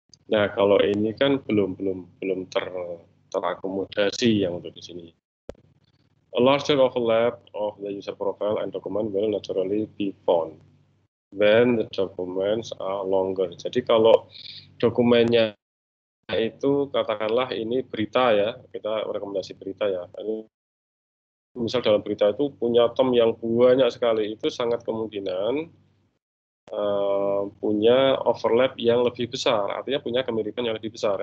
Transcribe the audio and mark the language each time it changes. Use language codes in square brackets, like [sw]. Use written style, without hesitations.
[id] Nah, kalau ini kan belum terakomodasi yang untuk di sini. [en] A larger overlap of the user profile and document will naturally be found when the documents are longer. [id] Jadi kalau dokumennya itu katakanlah ini berita ya, kita rekomendasi berita ya. Ini misal dalam berita itu punya tom yang banyak sekali, itu sangat kemungkinan punya overlap yang lebih besar, artinya punya kemiripan yang lebih besar.